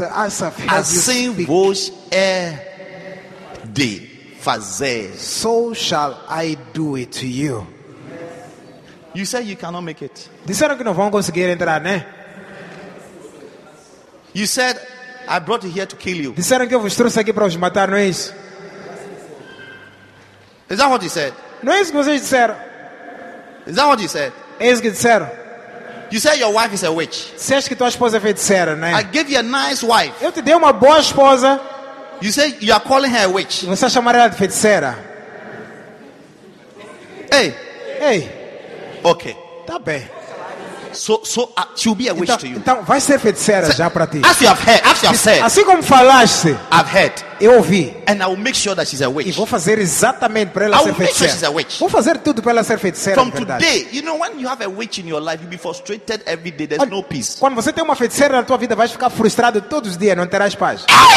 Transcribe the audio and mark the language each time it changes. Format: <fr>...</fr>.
<pt>assim vos é de fazer.</pt> <en>So shall I do it to you. You said you cannot make it.</en> <pt>Disseram que não vão conseguir entrar, né?</pt> <en>You said I brought you here to kill you.</en> <pt>Disseram que eu vos trouxe aqui para vos matar, não é isso?</pt> <en>Is that what you said?</en> <pt>Não é isso que vocês disseram?</pt> <en>Is that what you said?</en> <pt>É isso que disseram.</pt> <en>You said your wife is a witch.</en> <pt>Você acha que tua esposa é feiticeira, né?</pt> <en>I gave you a nice wife.</en> <pt>Eu te dei uma boa esposa.</pt> <en>You say you are calling her a witch.</en> <pt>Você chama ela de feiticeira. Hey. Hey.</pt> <en>Okay.</en> <pt>Tá bem.</pt> <en>So she'll be a witch</en> <pt>então,</pt> <en>to you.</en> <pt>Então vai ser feiticeira já para ti.</pt> <en>As you have heard, as you have said.</en> <pt>Assim como falaste.</pt> <en>I've heard.</en> <pt>Eu ouvi.</pt> <en>And I will make sure that she's a witch.</en> <pt>E vou fazer exatamente para ela</pt> <en>I will</en> <pt>ser feiticeira.</pt> <en>Make sure she's a witch.</en> <pt>Vou fazer tudo para ela ser feiticeira.</pt> <en>From today, you know, when you have a witch in your life, you'll be frustrated every day. There's no peace.</en> <pt>Quando você tem uma feiticeira na tua vida, vais ficar frustrado todos os dias, não terás paz.</pt>